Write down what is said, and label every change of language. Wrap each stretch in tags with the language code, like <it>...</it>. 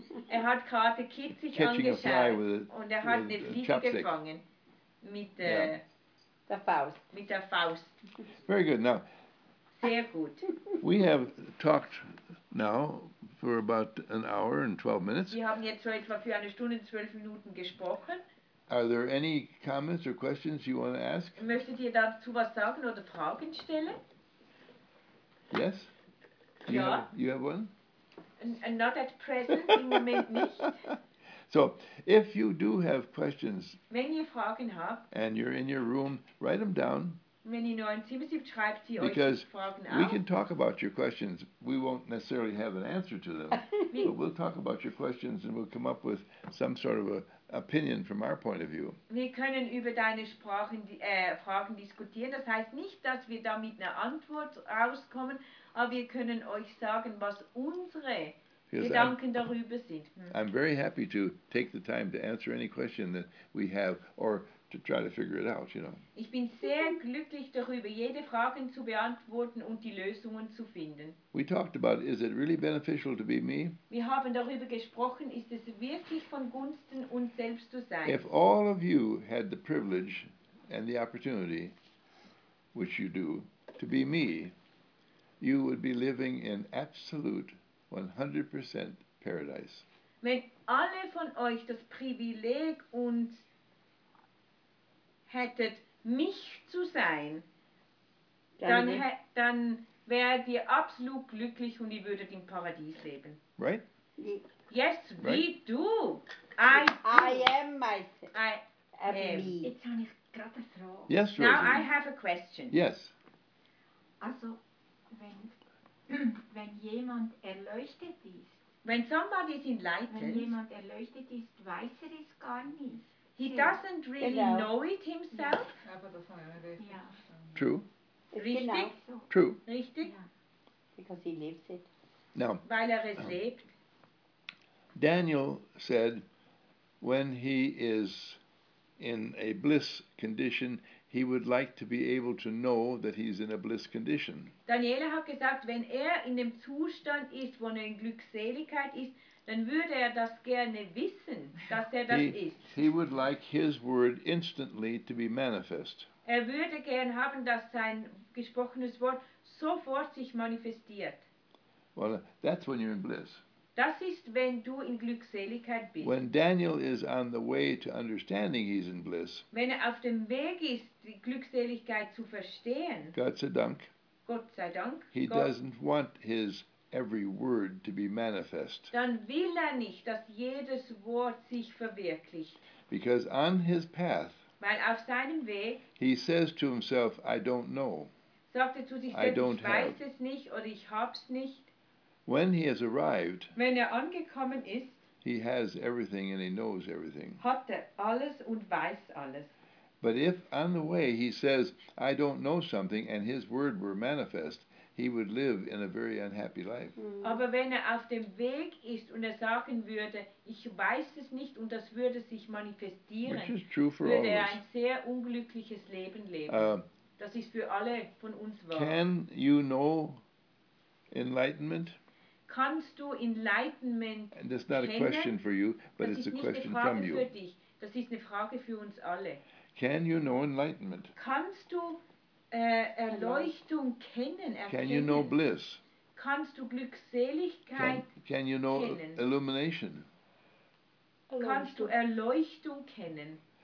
<de>Er hat Karate Kid sich</de> <en>catching</en> <de>angeschaut.</de> <en>A fly with a</en> <de>und er hat</de> <en>with</en> <de>eine Fliege</de> <en>a chopstick.</en> <de>Gefangen. Mit, der Faust. Mit der Faust.</de> <en>Very good. Now,</en> <de>sehr gut.</de> <en>We have talked now for about an hour and 12 minutes.</en> <de>Wir haben jetzt so etwa für eine Stunde und 12 Minuten gesprochen.</de> <en>Are there any comments or questions you want to ask?</en> <de>Möchtet ihr dazu was sagen oder Fragen stellen?</de> <en>Yes?</en> <de>Ja.</de> <en>You have one? And not at present,</en> <de>im Moment nicht.</de> <en>So, if you do have questions,</en> <de>wenn ihr Fragen habt,</de> <en>and you're in your room, write them down.</en> <de>Wenn ihr noch im Zimmer seid, schreibt ihr</de> <en>because</en> <de>euch Fragen auf.</de> <en>We can talk about your questions. We won't necessarily have an answer to them. But we'll talk about your questions and we'll come up with some sort of a opinion from our point of view.</en> <de>Wir können über deine Fragen diskutieren. Das heißt nicht, dass wir da mit einer Antwort rauskommen, aber wir können euch sagen, was unsere Gedanken darüber sind.</de> <en>I'm very happy to take the time to answer any question that we have or to try to figure it out, you know.</en> <de>Ich bin sehr glücklich darüber, jede Frage zu beantworten und die Lösungen zu finden.</de> <en>We talked about, is it really beneficial to be me?</en> <de>Wir haben darüber gesprochen, ist es wirklich von Gunsten, uns selbst zu sein?</de> <en>If all of you had the privilege and the opportunity, which you do, to be me, you would be living in absolute 100% paradise.</en> <de>Wenn alle von euch das Privileg und hättet mich zu sein, dann wärt ihr absolut glücklich und ihr würdet im Paradies leben.</de> <en>Right? Yes, right. We do. I am myself.</en> <de>Jetzt habe ich gerade eine Frage.</de> <en>Yes, now I have a question. Yes.</en> <de>Also, wenn jemand erleuchtet ist.</de> <en>When somebody is enlightened.</en> <de>Wenn jemand erleuchtet ist, weiß er es gar nicht.</de> <en>He doesn't really know it himself.</en> <de>Aber das war eine Rede. Ja.</de> <en>True.</en> <de>Richtig.</de> <en>So. True.</en> <de>Richtig.</de> <en>Yeah. Because he lives it. Now.</en> <de>Weil er es lebt.</de> <en>Daniel said, when he is in a bliss condition, he would like to be able to know that he's in a bliss condition.</en> <de>Daniele hat gesagt, wenn in dem Zustand ist, wo in Glückseligkeit ist, dann würde das gerne wissen, dass das ist.</de> <en>He would like his word instantly to be manifest.</en> <de>Würde gern haben, dass sein gesprochenes Wort sofort sich manifestiert.</de> <en>Well, that's when you're in bliss.</en> <de>Das ist, wenn du in Glückseligkeit bist.</de> <en>When Daniel is on the way to understanding he's in bliss.</en> <de>Wenn auf dem Weg ist, die Glückseligkeit zu verstehen. Gott sei Dank. Gott sei Dank.</de> <en>He doesn't want his every word to be manifest.</en> <de>Dann will nicht, dass jedes Wort sich verwirklicht.</de> <en>Because on his path.</en> <de>Weil auf seinem Weg.</de> <en>He says to himself, I don't know.</en> <de>Sagt zu sich selbst, ich weiß es nicht oder ich hab's nicht.</de> <en>When he has arrived,</en> <de>wenn angekommen ist,</de> <en>he has everything and he knows everything.</en> <de>Hat alles und weiß alles.</de> <en>But if on the way he says, I don't know something, and his word were manifest, he would live in a very unhappy life. Mm.</en> <de>Aber wenn auf dem Weg ist und sagen würde, ich weiß es nicht und das würde sich manifestieren,</de> <en>which is true for</en> <de>würde</de> <en>all</en> <de>ein sehr unglückliches Leben leben. Das ist für alle von uns wahr.</de> <en>Can you know enlightenment?</en> <de>Kannst du Enlightenment</de> <en>and that's not</en> <de>kennen?</de> <en>A question for you, but</en> <de>das</de> <en>it's a question from you.</en> <de>Dich. Das ist eine Frage für uns alle.</de> <en>Can you know enlightenment?</en> <de>Kannst du Erleuchtung kennen?</de> <en>Can you know bliss?</en> <de>Kannst du Glückseligkeit kennen?</de> <en>Can you know illumination?</en> <de>Kannst du Erleuchtung kennen?</de>